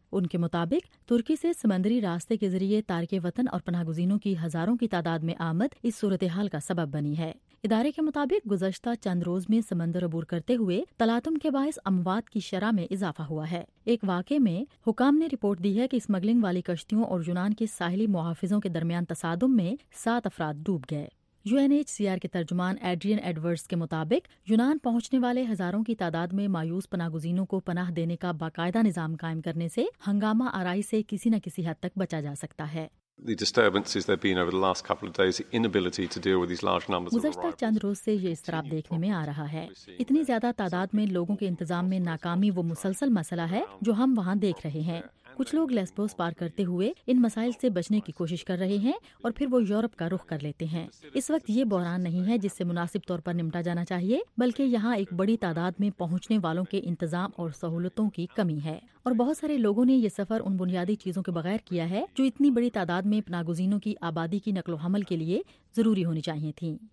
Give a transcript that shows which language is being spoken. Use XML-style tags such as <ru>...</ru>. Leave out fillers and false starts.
<ur>ان کے مطابق ترکی سے سمندری راستے کے ذریعے تارک وطن اور پناہ گزینوں کی ہزاروں کی تعداد میں آمد اس صورتحال کا سبب بنی ہے۔ ادارے کے مطابق گزشتہ چند روز میں سمندر عبور کرتے ہوئے تلاطم کے باعث اموات کی شرح میں اضافہ ہوا ہے۔ ایک واقعے میں حکام نے رپورٹ دی ہے کہ اسمگلنگ والی کشتیوں اور یونان کے ساحلی محافظوں کے درمیان تصادم میں 7 افراد ڈوب گئے۔ You N H C R کے ترجمان ایڈرین ایڈورس کے مطابق یونان پہنچنے والے ہزاروں کی تعداد میں مایوس پناہ گزینوں کو پناہ دینے کا باقاعدہ نظام قائم کرنے سے ہنگامہ آرائی سے کسی نہ کسی حد تک بچا جا سکتا ہے۔</ur> <en>The disturbances there been over the last couple of days, the inability to deal with these large numbers of arrivals.</en> <ur>گزشتہ چند روز سے یہ اضطراب دیکھنے میں آ رہا ہے۔ اتنی زیادہ تعداد میں لوگوں کے انتظام میں ناکامی وہ مسلسل مسئلہ ہے جو ہم وہاں دیکھ رہے ہیں۔ کچھ لوگ لیسبوس پار کرتے ہوئے ان مسائل سے بچنے کی کوشش کر رہے ہیں اور پھر وہ یورپ کا رخ کر لیتے ہیں۔ اس وقت یہ بحران نہیں ہے جس سے مناسب طور پر نمٹا جانا چاہیے، بلکہ یہاں ایک بڑی تعداد میں پہنچنے والوں کے انتظام اور سہولتوں کی کمی ہے، اور بہت سارے لوگوں نے یہ سفر ان بنیادی چیزوں کے بغیر کیا ہے جو اتنی بڑی تعداد میں پناہ گزینوں کی آبادی کی نقل و حمل کے لیے ضروری ہونی چاہیے تھیں۔</ur>